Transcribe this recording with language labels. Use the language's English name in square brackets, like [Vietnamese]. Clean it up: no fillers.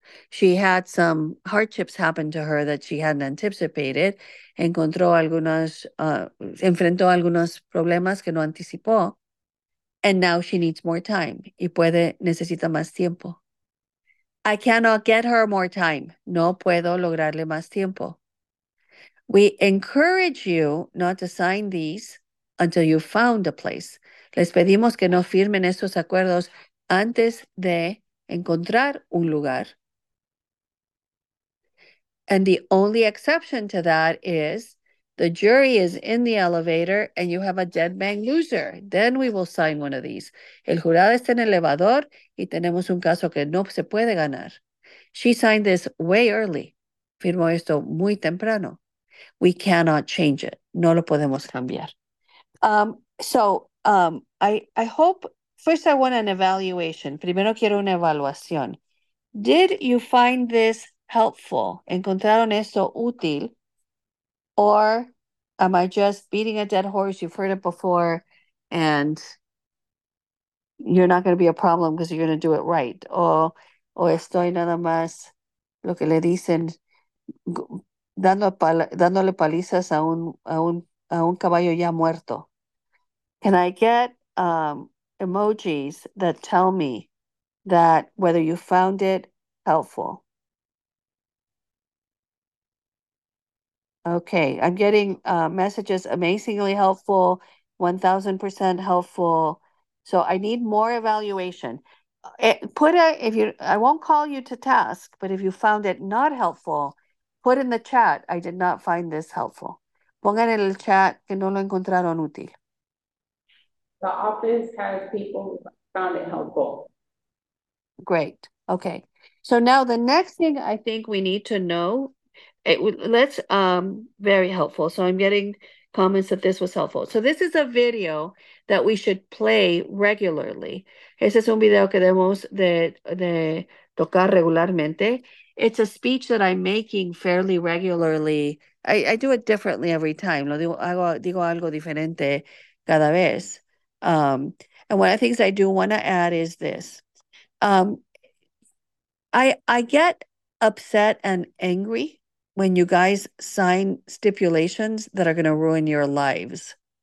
[English] She had some hardships happen to her that she hadn't anticipated, [Spanish] enfrentó algunos problemas que no anticipó. [English] And now she needs more time. [Spanish] Y puede, necesita más tiempo. [English] I cannot get her more time. [Spanish] No puedo lograrle más tiempo. [English] We encourage you not to sign these until you've found a place. [Spanish] Les pedimos que no firmen estos acuerdos antes de encontrar un lugar. [English] And the only exception to that is the jury is in the elevator and you have a dead bang loser. Then we will sign one of these. [Spanish] El jurado está en el elevador y tenemos un caso que no se puede ganar. [English] She signed this way early. [Spanish] Firmó esto muy temprano. [English] We cannot change it. [Spanish] No lo podemos cambiar. [English] I hope first I want an evaluation. [Spanish] Primero quiero una evaluación. [English] Did you find this helpful? [Spanish] ¿Encontraron esto útil? [English] Or am I just beating a dead horse? You've heard it before, and you're not going to be a problem because you're going to do it right. [Spanish] O estoy nada más lo que le dicen, dándole palizas a un caballo ya muerto. [English] Can I get emojis that tell me that whether you found it helpful? Okay, I'm getting messages amazingly helpful, 1000% helpful. So I need more evaluation. If you, I won't call you to task, but if you found it not helpful, put in the chat, I did not find this helpful. [Spanish] Pongan en el chat que no lo encontraron útil. [English] The office has people who found it helpful. Great. Okay. So now the next thing I think we need to know, let's very helpful. So I'm getting comments that this was helpful. So this is a video that we should play regularly. [Spanish] Este es un video que debemos de tocar regularmente. [English] It's a speech that I'm making fairly regularly. I do it differently every time. [Spanish] Lo digo, hago, digo algo diferente cada vez. [English] And one of the things I do want to add is this. I get upset and angry when you guys sign stipulations that are going to ruin your lives.